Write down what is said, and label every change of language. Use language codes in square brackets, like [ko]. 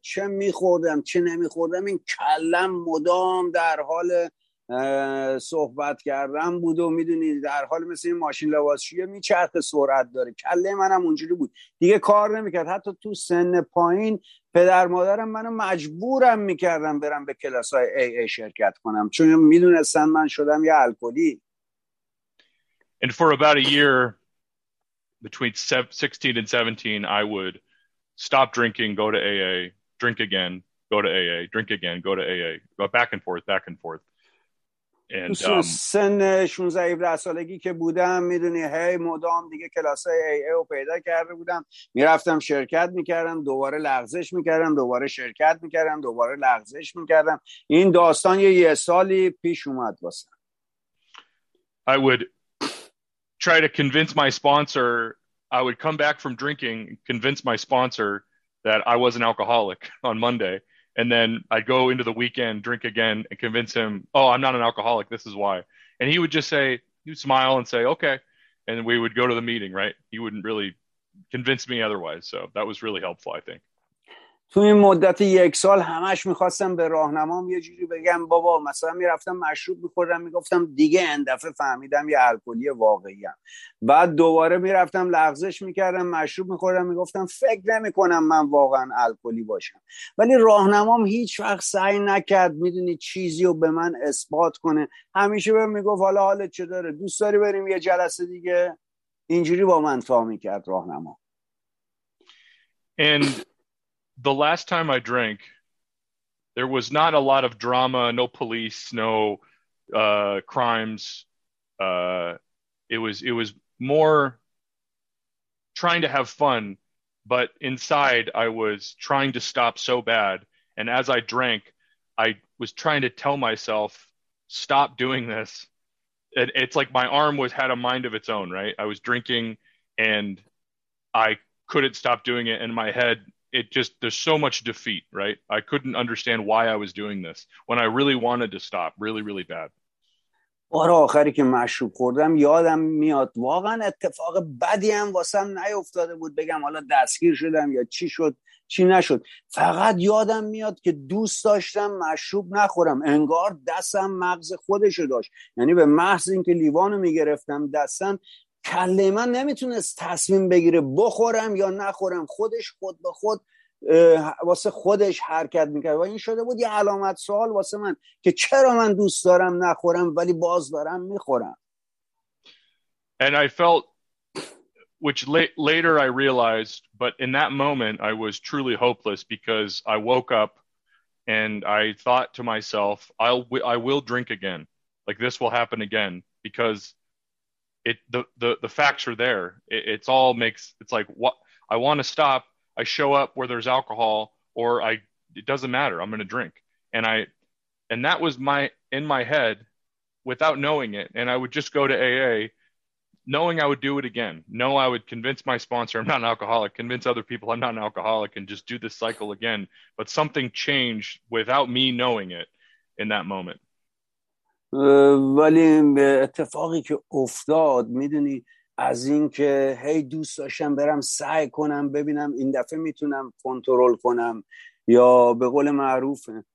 [fa] چه میخوردم چه نمیخوردم این کلم مدام در حال صحبت کردم بود و میدونی در حال مثل این ماشین لباسشویی میچرخه سرعت داره، کله منم اونجوری بود دیگه کار نمیکرد. حتی تو سن پایین پدر مادرم منو مجبورم میکردم برم به کلاس های AA شرکت کنم چون میدونستن من شدم یه الکلی. [en] And for about a year between 16 and 17 I would stop drinking, go to AA, drink again, go to AA, drink again, go to AA, go back and forth, back and forth. [fa] تو سن 16-17 سالگی که بودم میدونی هی مدام دیگه کلاس های AA رو پیدا کرده بودم، میرفتم شرکت میکردم، دوباره لغزش میکردم، دوباره شرکت میکردم، دوباره لغزش میکردم. این داستان یه سالی پیش اومد واسم. [en] I would try to convince my sponsor, I would come back from drinking, convince my sponsor that I was an alcoholic on Monday. And then I'd go into the weekend, drink again, and convince him, oh, I'm not an alcoholic, this is why. And he would just say, he would smile and say, okay. And we would go to the meeting, right? He wouldn't really convince me otherwise. So that was really helpful, I think. [fa] تو این مدت یک سال همش میخواستم به راهنمام یه جوری بگم بابا مثلا میرفتم مشروب میخوردم میگفتم دیگه اندفعه فهمیدم یه الکلی واقعیم، بعد دوباره میرفتم لغزش میکردم مشروب میخوردم میگفتم فکر نمیکنم من واقعا الکلی باشم، ولی راهنمام هیچ وقت سعی نکرد میدونی چیزی رو به من اثبات کنه. همیشه به میگفت حالا حالت چه داره، دوست داری بریم یه جلسه دیگه، اینجوری با من تا میکرد راهنمام. [en] And the last time I drank, there was not a lot of drama, no police, no crimes. It was more trying to have fun, but inside I was trying to stop so bad. And as I drank, I was trying to tell myself, stop doing this. It's like my arm had a mind of its own, right? I was drinking and I couldn't stop doing it in my head. It just, there's so much defeat, right? I couldn't understand why I was doing this when I really wanted to stop really, really bad. [fa] بار آخری که مشروب خوردم یادم میاد واقعا اتفاق بدی هم واسم نیفتاده بود بگم حالا دستگیر شدم یا چی شد چی نشد، فقط یادم میاد که دوست داشتم مشروب نخورم، انگار دستم مغز خودشو داشت، یعنی به محض اینکه لیوانو میگرفتم دستم کله من نمیتونست تصمیم بگیره بخورم یا نخورم، خودش خود به خود واسه خودش حرکت میکرد و این شده بود یه علامت سوال واسه من که چرا من دوست دارم نخورم ولی باز دارم میخورم. [en] And I felt, which later I realized, but in that moment I was truly hopeless because I woke up and I thought to myself, I will drink again, like this will happen again, because the facts are there. It's like I want to stop. I show up where there's alcohol, or it doesn't matter. I'm going to drink. And that was in my head without knowing it. And I would just go to AA knowing I would do it again. No, I would convince my sponsor I'm not an alcoholic, convince other people I'm not an alcoholic, and just do this cycle again. But something changed without me knowing it in that moment. [fa] ولی اتفاقی که افتاد، میدونی، از این که هی دوست داشتم برم سعی کنم ببینم این دفعه میتونم کنترل کنم، یا به قول معروف